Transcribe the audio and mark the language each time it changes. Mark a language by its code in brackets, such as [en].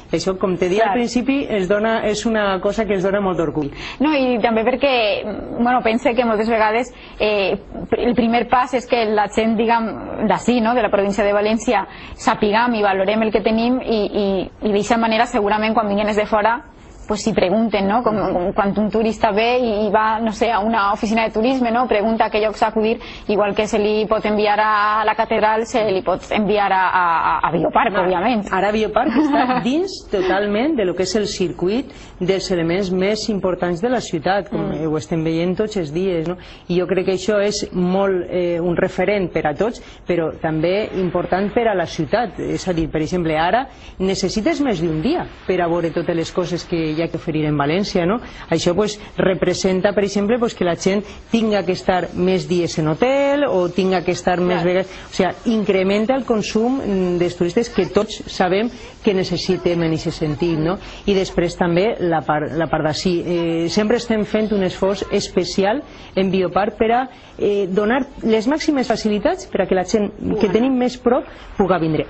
[ca] Això, com t'he dit al principi, és una cosa que ens dona molt d'orgull. No, i també perquè, bueno, penso que moltes vegades el primer pas és que la gent, diguem, d'ací, de la província de València, sapiguem i valorem el que tenim, i d'aquesta manera segurament quan vinguin des de fora pues si pregunten, ¿no? [es] Cuando un turista ve y va, no sé, a una oficina de turismo, ¿no?, pregunta a qué llocs acudir, igual que se le puede enviar a la catedral, se le puede enviar a Bioparc, obviamente. Ahora Bioparc está dins totalmente de lo que es el circuit de los elementos más importantes de la ciudad, como lo [ca] estem veient tots els dies, [es] ¿no? Y yo creo que eso es [ca] molt, un referent per a tots, [es] pero también important per a la ciudad. [ca] Es a dir, [es] por ejemplo, ahora [ca] necesites [es] más de un día [ca] per a veure totes les coses que hi ha que oferir en València, no? Això representa, per exemple, que la gent tinga que estar més dies en hotel o tinga que estar més vegades, o sigui, incrementa el consum dels turistes, que tots sabem que necessitem en aquest sentit, no? I després també la part d'ací. Sempre estem fent un esforç especial en Bioparc per a donar les màximes facilitats perquè la gent que tenim més prop pugui vindre.